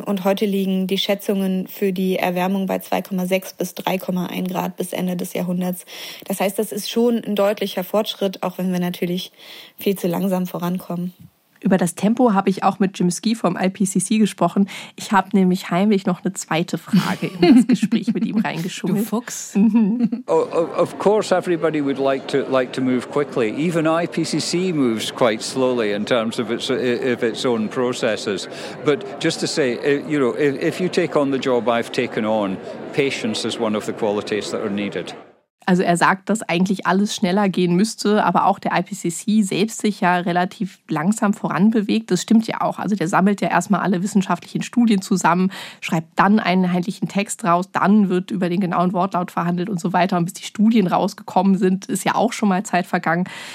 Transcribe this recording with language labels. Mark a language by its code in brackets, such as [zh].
[de] Und heute liegen die Schätzungen für die Erwärmung bei 2,6 bis 3,1 Grad bis Ende des Jahrhunderts. Das heißt, das ist schon ein deutlicher Fortschritt, auch wenn wir natürlich viel zu langsam vorankommen. Über das Tempo habe ich auch mit Jim Ski vom IPCC gesprochen. Ich habe nämlich heimlich noch eine zweite Frage in das Gespräch mit ihm reingeschoben. Du Fuchs. [en] Of course everybody would like to move quickly. Even IPCC moves quite slowly in terms of its own processes. But just to say, you know, if you take on the job I've taken on, patience is one of the qualities that are needed. [de] Also er sagt, dass eigentlich alles schneller gehen müsste, aber auch der IPCC selbst sich ja relativ langsam voranbewegt. Das stimmt ja auch. Also der sammelt ja erstmal alle wissenschaftlichen Studien zusammen, schreibt dann einen einheitlichen Text raus, dann wird über den genauen Wortlaut verhandelt und so weiter. Und bis die Studien rausgekommen sind, ist ja auch schon mal Zeit vergangen.